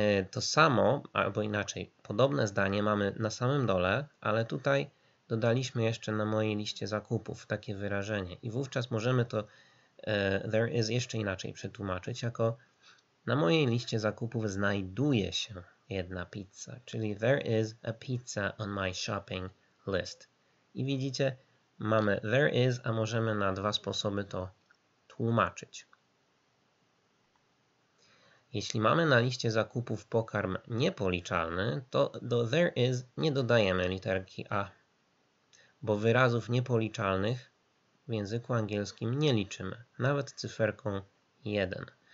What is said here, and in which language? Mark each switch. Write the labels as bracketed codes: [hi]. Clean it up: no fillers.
[pl] To samo, albo inaczej, podobne zdanie mamy na samym dole, ale tutaj dodaliśmy jeszcze na mojej liście zakupów takie wyrażenie. I wówczas możemy to [en] there is [pl] jeszcze inaczej przetłumaczyć, jako na mojej liście zakupów znajduje się jedna pizza. Czyli [en] there is a pizza on my shopping list. [pl] I widzicie, mamy [en] there is, [pl] a możemy na dwa sposoby to tłumaczyć. Jeśli mamy na liście zakupów pokarm niepoliczalny, to do [en] there is [pl] nie dodajemy literki A, bo wyrazów niepoliczalnych w języku angielskim nie liczymy, nawet cyferką 1.